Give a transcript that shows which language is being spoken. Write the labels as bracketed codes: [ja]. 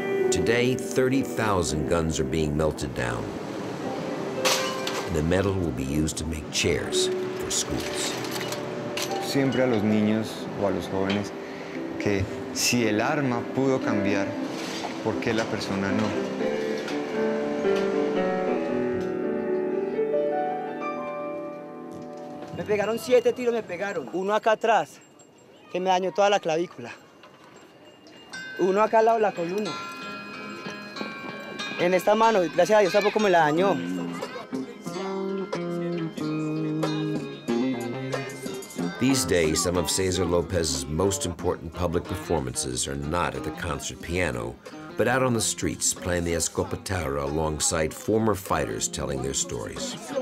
[en] Today, 30,000 guns are being melted down. And the metal will be used to make chairs for schools. [es] Siempre a los niños o a los jóvenes que si el arma pudo cambiar, ¿por qué la persona no? Me pegaron 7 tiros, me pegaron. Uno acá atrás, que me dañó toda la clavícula. Uno acá al lado de la columna. En esta mano, gracias a Dios, tampoco me la dañó. [en] These days, some of Cesar Lopez's most important public performances are not at the concert piano, but out on the streets playing the Escopetara alongside former fighters telling their stories.